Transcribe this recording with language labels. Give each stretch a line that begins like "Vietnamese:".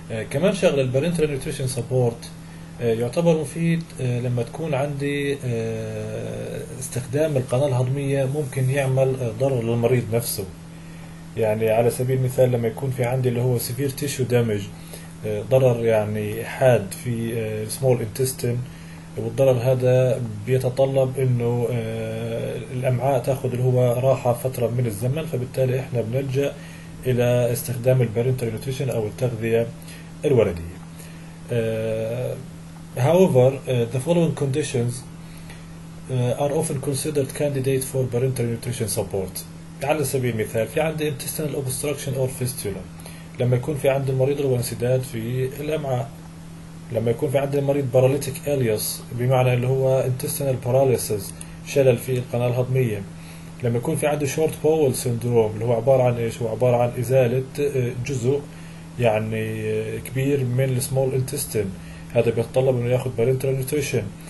Arabic: كمان شغله البارنتال نيوتريشن سبورت يعتبر مفيد لما تكون عندي استخدام القناه الهضميه ممكن يعمل ضرر للمريض نفسه، يعني على سبيل المثال لما يكون في عندي اللي هو سيفير تيشو دامج، ضرر يعني حاد في سمول انتستين، والضرر هذا بيتطلب انه الامعاء تاخذ اللي هو راحه فتره من الزمن، فبالتالي احنا بنلجا الى استخدام البارنتال نيوتريشن او التغذيه الوردية.
English: However, the following conditions are often considered candidate for parenteral nutrition support.
Arabic: على سبيل المثال في عندي
English: intestinal obstruction or fistula،
Arabic: لما يكون في عند المريض هو انسداد في الأمعاء، لما يكون في عند المريض paralytic ileus بمعنى اللي هو intestinal paralysis، شلل في القناة الهضمية، لما يكون في عنده short bowel syndrome اللي هو عبارة عن إيش؟ هو عبارة عن إزالة جزء يعني كبير من السمول انتستين، هذا بيتطلب انه ياخذ بارنترال نيوتريشن.